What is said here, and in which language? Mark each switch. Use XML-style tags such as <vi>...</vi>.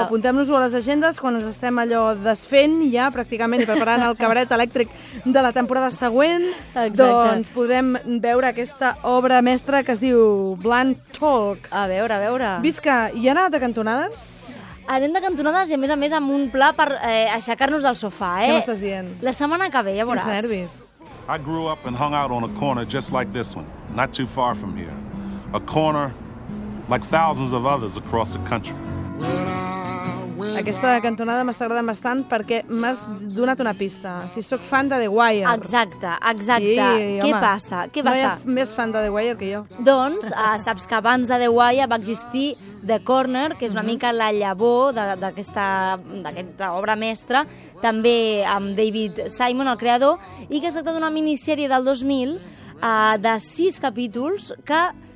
<ca>Apuntem-nos-ho a les agendes quan ens estem allò desfent ja, pràcticament, i preparant el cabaret elèctric de la temporada següent. Exacte. Doncs podrem veure aquesta obra mestra que es diu Blunt Talk. A veure, a veure. Visca, hi ha anat de cantonades? Anem de cantonades i, a més, amb un pla per aixecar-nos del sofà, eh? Què m'estàs dient? La setmana que ve, ja veuràs. Quins nervis.</ca> <en>I grew up and hung out on a corner just like this one, not too far from here. A corner like thousands of others across the country.</en> <ca>Aquesta cantonada m'està agradant bastant perquè m'has donat una pista. Si sóc fan de The Wire. Exacte, exacte. I, què home, passa? Què no passa? Hi ha més fan de The Wire que jo. Doncs saps que abans de The Wire va existir The Corner, que és una mica la llavor d'aquesta obra mestra, també amb David Simon, el creador, i que es tracta d'una minissèrie del 2000 de 6 capítols que...</ca>